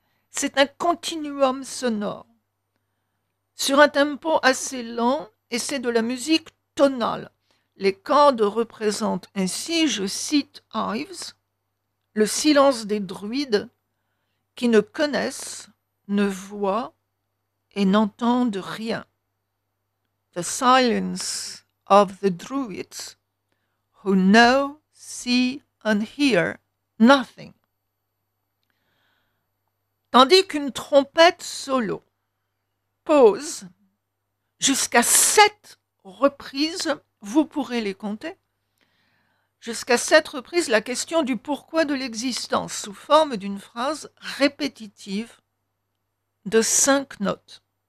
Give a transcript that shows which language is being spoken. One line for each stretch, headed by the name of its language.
French: C'est un continuum sonore sur un tempo assez lent et c'est de la musique tonale. Les cordes représentent ainsi, je cite Ives, le silence des druides qui ne connaissent, ne voient et n'entendent rien.
English: The silence of the druids who know, see and hear nothing.
French: Tandis qu'une trompette solo pose jusqu'à 7 reprises. Vous pourrez les compter. Jusqu'à 7 reprises, la question du pourquoi de l'existence sous forme d'une phrase répétitive de 5 notes.